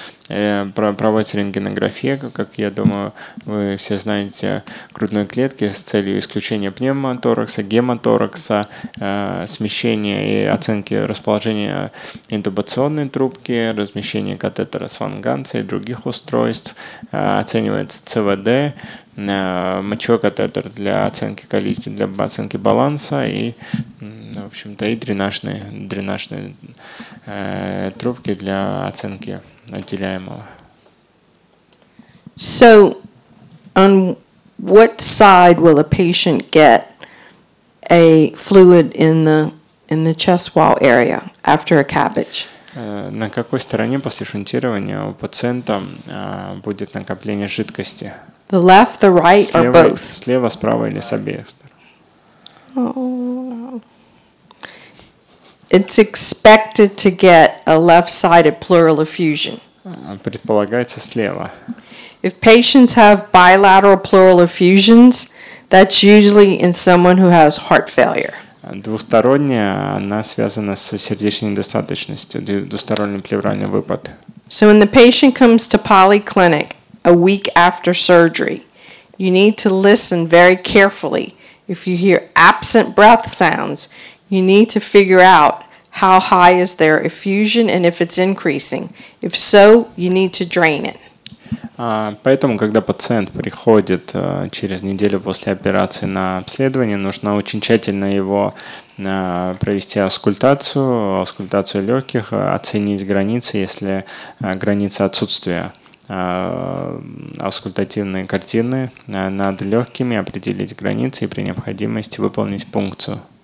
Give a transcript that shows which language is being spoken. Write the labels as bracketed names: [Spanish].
[Russian] Проводится рентгенография, как я думаю, вы все знаете, грудной клетки с целью исключения пневмоторакса, гемоторакса, смещения и оценки расположения интубационной трубки, размещения катетера с фанганцией и других устройств. Оценивается ЦВД, мочевой катетер для оценки количества, для оценки баланса и, в общем-то, и дренажные трубки для оценки отделяемого. [English] So, on what side will a patient get a fluid in the chest wall area after a CABG? [Russian] На какой стороне после шунтирования у пациента будет накопление жидкости? [English] The left, the right, or both? [Russian] Слева, справа или с обеих сторон? [English] It's expected to get a left-sided pleural effusion. [Russian] Предполагается слева. [English] If patients have bilateral pleural effusions, that's usually in someone who has heart failure. [Russian] Двусторонняя, она связана с сердечной недостаточностью, двусторонний плевральный выпад. [English] So when the patient comes to polyclinic a week after surgery, You need to listen very carefully. If you hear absent breath sounds, you need to figure out how high is their effusion and if it's increasing. If so, you need to drain it. [Russian] Поэтому, когда пациент приходит через неделю после операции на обследование, нужно очень тщательно его провести аускультацию легких, оценить границы, если граница отсутствия аускультативной картины над легкими, определить границы и при необходимости выполнить пункцию.